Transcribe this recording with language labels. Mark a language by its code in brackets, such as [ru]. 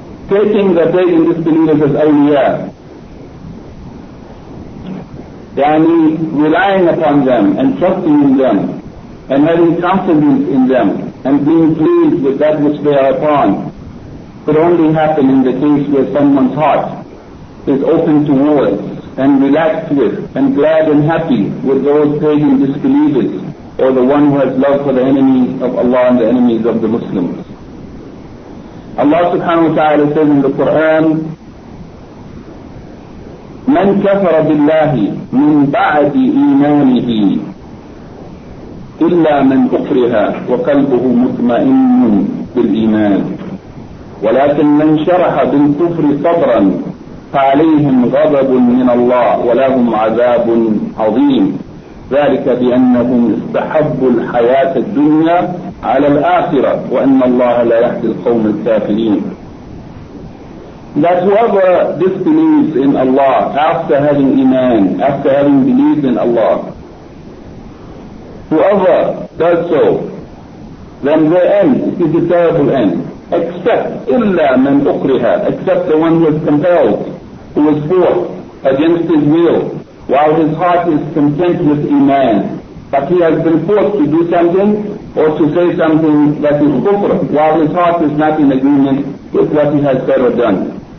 [en] Taking the faith in disbelievers as awliya, relying upon them and trusting in them and having confidence in them and being pleased with that which they are upon could only happen in the case where someone's heart is open towards and relaxed with and glad and happy with those pagan disbelievers or the one who has love for the enemies of Allah and the enemies of the Muslims. Allah subhanahu wa ta'ala says in the Quran, [ar] من كفر بالله من بعد إيمانه إلا من أكره وقلبه مطمئن بالإيمان ولكن من شرح بالكفر صدرا فعليهم غضب من الله ولهم عذاب عظيم ذلك بأنهم استحبوا الحياة الدنيا على الآخرة وأن الله لا يهدي القوم الكافرين. [en] That whoever disbelieves in Allah after having iman, after having believed in Allah, whoever does so, then their end is a terrible end. Except [ar] illa man ukriha, [en] except the one who is compelled, who is forced against his will, while his heart is content with iman, but he has been forced to do something or to say something that is kufr, while his heart is not in agreement with what he has said or done.